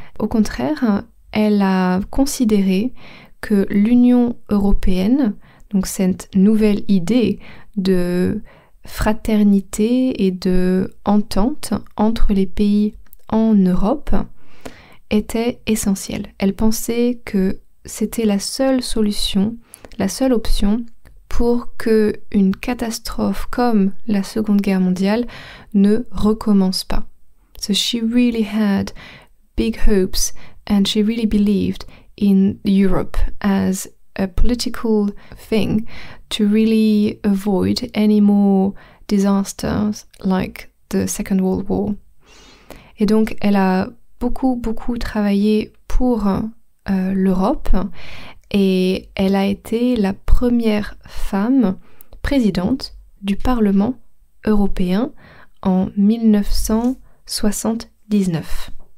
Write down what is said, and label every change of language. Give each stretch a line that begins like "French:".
French: Au contraire, elle a considéré que l'Union européenne, donc cette nouvelle idée de fraternité et de entente entre les pays en Europe, était essentielle. Elle pensait que c'était la seule solution, la seule option pour que une catastrophe comme la Seconde Guerre mondiale ne recommence pas.
English: So she really had big hopes and she really believed in Europe as a political thing to really avoid any more disasters like the Second World War.
French: Et donc elle a beaucoup travaillé pour l'Europe. Et elle a été la première femme présidente du Parlement européen en 1979.